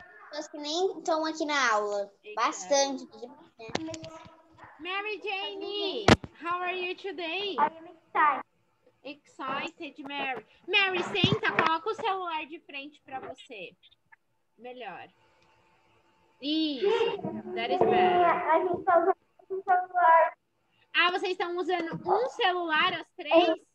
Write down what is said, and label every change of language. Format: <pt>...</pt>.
<pt>Pessoas que nem estão aqui na aula. Bastante.</pt> <en>Exactly. Mary Jane, how are you today? I am excited. Excited, Mary.</en> <pt>Mary, senta, coloca o celular de frente para você. Melhor. Isso.</pt> <en>That is better.</en> <pt>Celular. Ah, vocês estão usando um celular, as três?</pt>